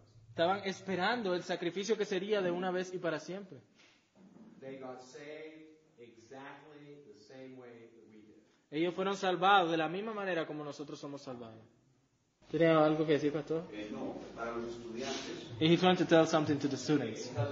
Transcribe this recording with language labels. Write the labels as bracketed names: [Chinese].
[Spanish] Estaban esperando el sacrificio que sería de una vez y para siempre. [English] They got saved exactly the same way that we did. [Spanish] Ellos fueron salvados de la misma manera como nosotros somos salvados. ¿Tiene algo que decir, pastor? No, para los estudiantes. [English] And he's going to tell something to the students.